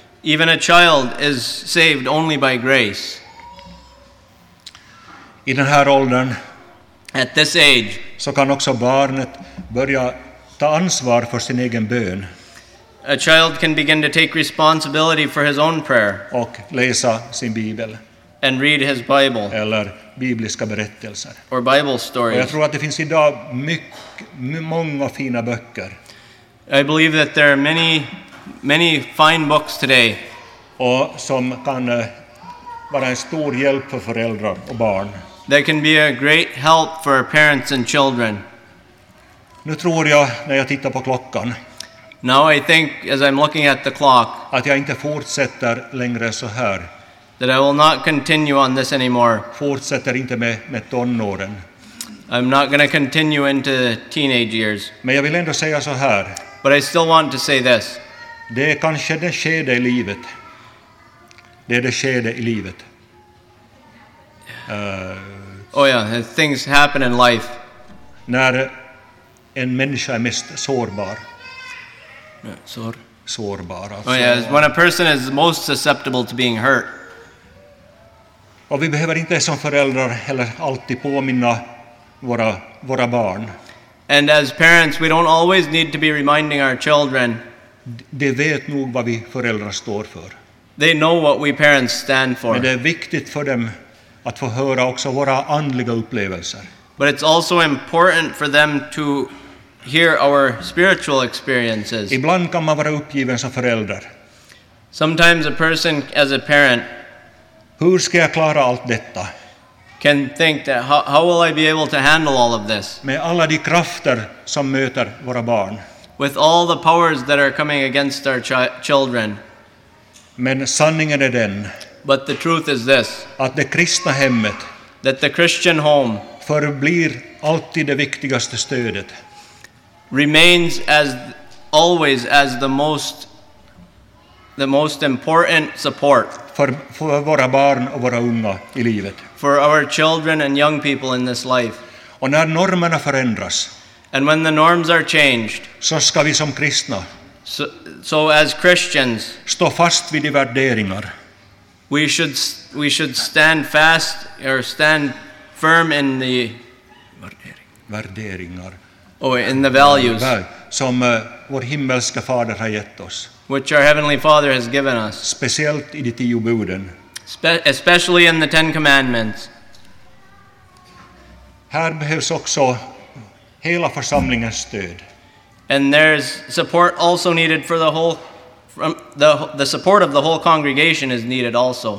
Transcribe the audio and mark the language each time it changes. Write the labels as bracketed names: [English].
[English] Even a child is saved only by grace. [Swedish] I den här åldern, [English] at this age, [Swedish] så kan också barnet börja ta ansvar för sin egen bön. [English] A child can begin to take responsibility for his own prayer. [Swedish] Och läsa sin bibel. [English] And read his Bible. [Swedish] Eller bibliska berättelser. [English] Or Bible stories. [Swedish] Och jag tror att det finns idag många fina böcker. [English] I believe that there are many, many fine books today. [Swedish] Och som kan vara en stor hjälp för föräldrar och barn. [English] That can be a great help for parents and children. [Swedish] Nu tror jag när jag tittar på klockan. [English] Now I think as I'm looking at the clock. [Swedish] Att jag inte fortsätter längre så här. [English] That I will not continue on this anymore. [Swedish] Fortsätter inte med tonåren. [English] I'm not going to continue into teenage years. [Swedish] Men jag vill ändå säga så här. [English] But I still want to say this. [Swedish] Det är kanske det skede i livet. Det är det skede i livet. [English] Things happen in life. [Swedish] När en människa är mest sårbar. Sår. sårbara. [English] Oh, yes. When a person is most susceptible to being hurt. [Swedish] Och vi behöver inte som föräldrar heller alltid påminna våra barn. [English] And as parents, we don't always need to be reminding our children. [Swedish] De vet nog vad vi föräldrar står för. [English] They know what we parents stand for. [Swedish] Men det är viktigt för dem att få höra också våra andliga upplevelser. [English] But it's also important for them to hear our spiritual experiences. [Swedish] Ibland kan man vara uppgiven som förälder. [English] Sometimes a person as a parent, [Swedish] hur ska jag klara allt detta? [English] Can think that how will I be able to handle all of this? [Swedish] Med alla de krafter som möter våra barn. [English] With all the powers that are coming against our children. [Swedish] Men sanningen är den. [English] But the truth is this. [Swedish] Att det kristna hemmet, [English] that the Christian home, [Swedish] förblir alltid det viktigaste stödet. [English] Remains as always as the most important support [Swedish] för våra barn och våra unga i livet. [English] For our children and young people in this life. [Swedish] Och när normerna förändras. [English] And when the norms are changed. [Swedish] Så ska vi som kristna. [English] So as Christians. [Swedish] Stå fast vid de värderingar. [English] We should stand fast or stand firm in the [Swedish] värderingar. [English] Oh, in the values. [Swedish] Som vår himmelska fader har gett oss. [English] Which our heavenly Father has given us. [Swedish] Speciellt i de 10 buden. [English] Especially in the 10 commandments. [Swedish] Här behövs också hela församlingens stöd. [English] And there's support also needed for the whole the support of the whole congregation is needed also.